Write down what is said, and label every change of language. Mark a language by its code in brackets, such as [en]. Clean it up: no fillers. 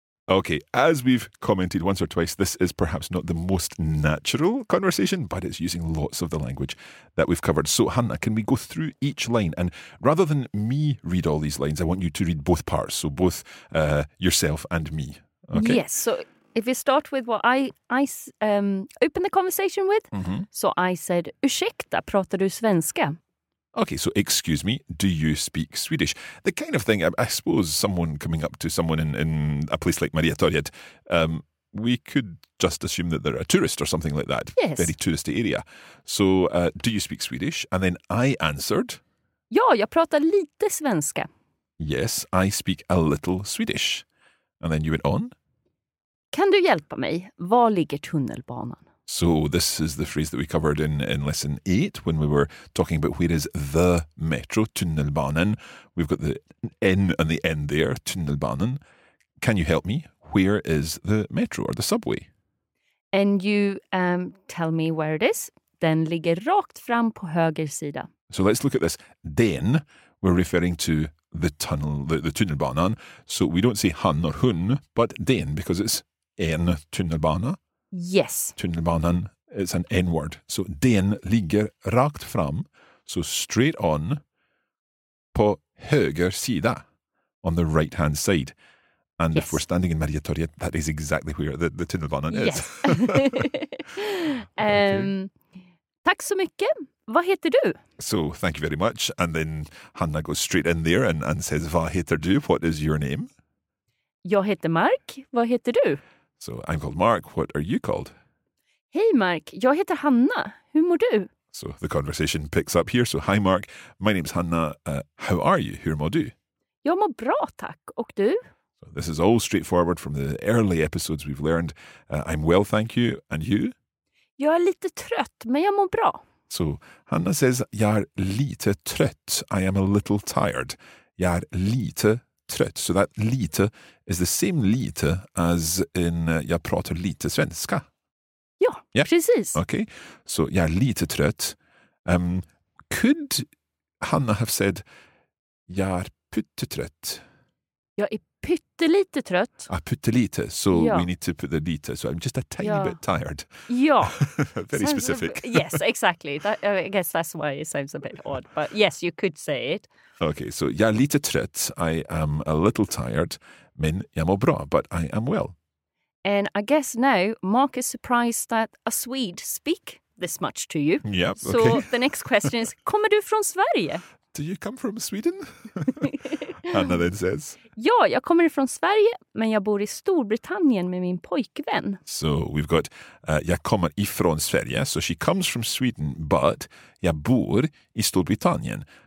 [en] Okay, as we've commented once or twice, this is perhaps not the most natural conversation, but it's using lots of the language that we've covered. So, Hannah, can we go through each line? And rather than me read all these lines, I want you to read both parts, so both yourself and me. Okay. Yes, so if you start with what I opened the conversation with, mm-hmm. So I said, [sv] ursäkta, pratar du svenska? [en] Okay, so excuse me, do you speak Swedish? The kind of thing, I suppose, someone coming up to someone in a place like Mariatorget, we could just assume that they're a tourist or something like that. Yes. Very touristy area. So, do you speak Swedish? And then I answered... [sv] Ja, jag pratar lite svenska. [en] Yes, I speak a little Swedish. And then you went on. [sv] Kan du hjälpa mig? Var ligger tunnelbanan? [en] So this is the phrase that we covered in lesson 8 when we were talking about where is the metro, tunnelbanan. We've got the N and the N there, tunnelbanan. Can you help me? Where is the metro or the subway? And you tell me where it is. [sv] Den ligger rakt fram på höger sida. [en] So let's look at this. Den, we're referring to the tunnel, the tunnelbanan. So we don't say han or hun, but den because it's en tunnelbana. Yes. Tunnelbanan, it's an N-word. So [sv] den ligger rakt fram, [en] so straight on, [sv] på höger sida, [en] on the right-hand side. And yes. If we're standing in Mariatorget, that is exactly where the tunnelbanan yes. is. [sv] Tack så mycket. Vad heter du? [en] So thank you very much. And then Hanna goes straight in there and says, [sv] vad heter du? [en] What is your name? [sv] Jag heter Mark. Vad heter du? [en] So, I'm called Mark. What are you called? [sv] Hey, Mark. Jag heter Hanna. Hur mår du? [en] So, the conversation picks up here. So, hi, Mark. My name's Hanna. How are you? [sv] Hur mår du? Jag mår bra, tack. Och du? [en] So, this is all straightforward from the early episodes we've learned. I'm well, thank you. And you? [sv] Jag är lite trött, men jag mår bra. [en] So, Hanna says, [sv] jag är lite trött. [en] I am a little tired. [sv] Jag är lite trött. [en] So that lite is the same lite as in [sv] jag pratar lite svenska. Ja, [en] yeah. [sv] Precis. [en] Okay, so [sv] jag är lite trött. [en] Could Hanna have said [sv] jag är pyttetrött? Jag är pyttelite trött. [en] Ah, pyttelite. So ja. We need to put the lite. So I'm just a tiny ja. Bit tired. [sv] Ja. [en] Very sounds specific. Yes, exactly. I guess that's why it sounds a bit odd. But yes, you could say it. Okay, so [sv] jag är lite trött. [en] I am a little tired. [sv] Men jag mår bra, [en] but I am well. And I guess now Mark is surprised that a Swede speak this much to you. Yeah, so okay. The next question is, [sv] kommer du från Sverige? [en] Do you come from Sweden? Hanna then says. [sv] Ja, jag kommer från Sverige, men jag bor i Storbritannien med min pojkvän. [en] So we've got, [sv] jag kommer ifrån Sverige. [en] So she comes from Sweden, but [sv] jag bor i Storbritannien.